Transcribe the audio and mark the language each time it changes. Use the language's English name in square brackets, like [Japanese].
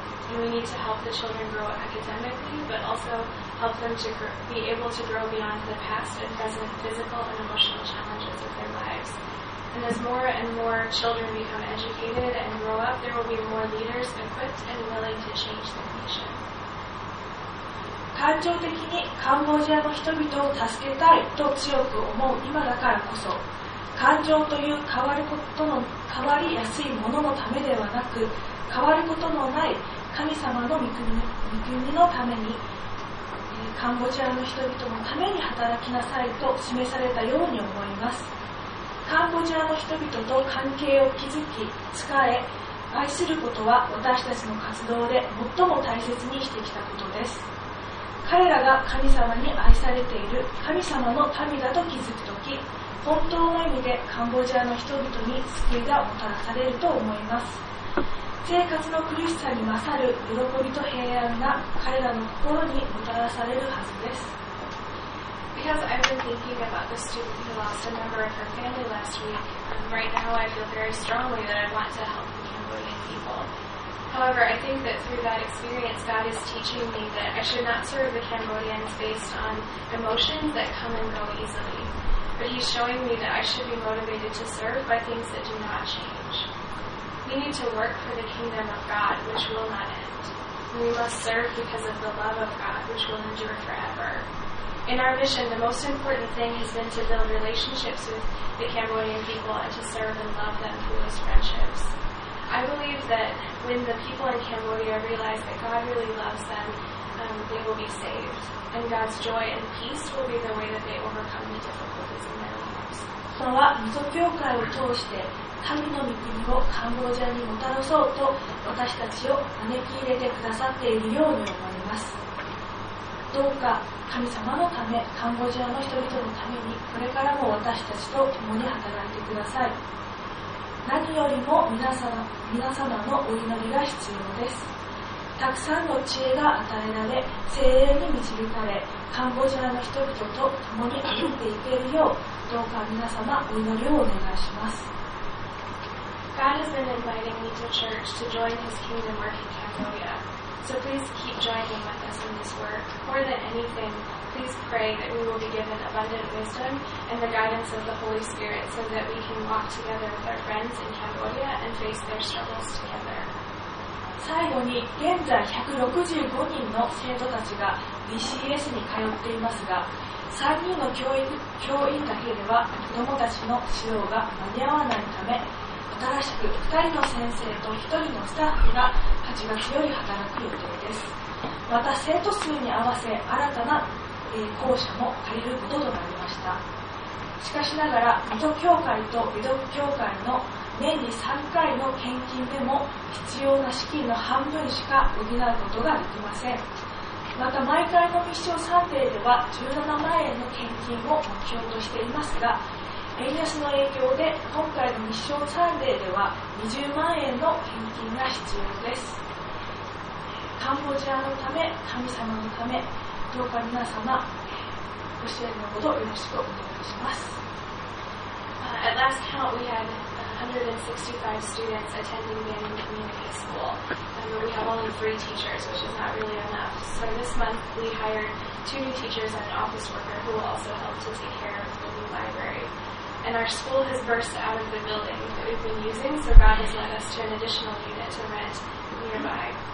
[English] And we need to help the children grow academically, but also help them to be able to grow beyond the past and present physical and emotional challenges of their lives. And as more and more children become educated and grow up, there will be more leaders equipped and willing to change the nation. [Japanese] 感情的にカンボジアの人々を助けたいと強く思う今だからこそ、感情という変わることの変わりやすいもののためではなく、変わることのない神様の御国のために、カンボジアの人々のために働きなさいと示されたように思います。カンボジアの人々と関係を築き、仕え、愛することは私たちの活動で最も大切にしてきたことです。彼らが神様に愛されている神様の民だと気づくとき、本当の意味でカンボジアの人々に救いがもたらされると思います。生活の苦しさに勝る喜びと平安が彼らの心にもたらされるはずです。 [English] We because I've been thinking about the student who lost a member of her family last week, right now I feel very strongly that I want to help the Cambodian people. However, I think that through that experience, God is teaching me that I should not serve the Cambodians based on emotions that come and go easily. But he's showing me that I should be motivated to serve by things that do not change. We need to work for the kingdom of God, which will not end. We must serve because of the love of God, which will endure forever. In our mission, the most important thing has been to build relationships with the Cambodian people and to serve and love them through those friendships. I believe that when the people in Cambodia realize that God really loves them, they will be saved. And God's joy and peace will be the way that they overcome the difficulties in their lives. [Japanese] So, カンボジアに戻ろうと私たちを招き入れてくださっているように思います。どうか神様のため、カンボジアの人々のために、これからも私たちと共に働いてください。何よりも皆様のお祈りが必要です。たくさんの知恵が与えられ、精霊に導かれ、カンボジアの人々と共に歩いていけるよう、どうか皆様お祈りをお願いします。 [English] God has been inviting me to church to join his kingdom work in Cambodia. So please keep joining with us in this work. More than anything, please pray that we will be given abundant wisdom and the guidance of the Holy Spirit so that we can walk together with our friends in Cambodia and face their struggles together. [Japanese] 最後に現在165人の生徒たちが BCS に通っていますが、3人の教員だけでは子どもたちの指導が間に合わないため、新しく2人の先生と1人のスタッフが8月より働く予定です。また生徒数に合わせ新たな校舎も借りることとなりました。しかしながら、水戸教会と美徳教会の年に3回の献金でも必要な資金の半分しか補うことができません。また毎回のミッションサンデーでは17万円の献金を目標としていますが、円安の影響で今回のミッションサンデーでは20万円の献金が必要です。カンボジアのため、神様のため、どうか皆様ご支援のほどよろしくお願いします。 [English] At last count we had 165 students attending Bannon Community School, and we have only 3 teachers, which is not really enough. So this month we hired 2 new teachers and an office worker who will also help to take care of the new library. And our school has burst out of the building that we've been using, so God has led us to an additional unit to rent nearby.